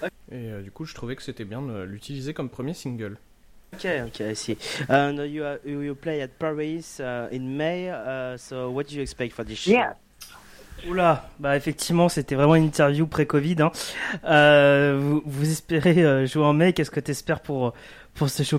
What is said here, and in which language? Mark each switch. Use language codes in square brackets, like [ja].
[fr] Et du coup, je trouvais que c'était bien de l'utiliser comme premier single. [en] Ok, I see. You play at Paris in May, so what do you expect for this show? Yeah. [fr] Oula, bah effectivement, c'était vraiment une interview pré-Covid. Hein. Vous espérez jouer en mai, qu'est-ce que t'espères pour ce show?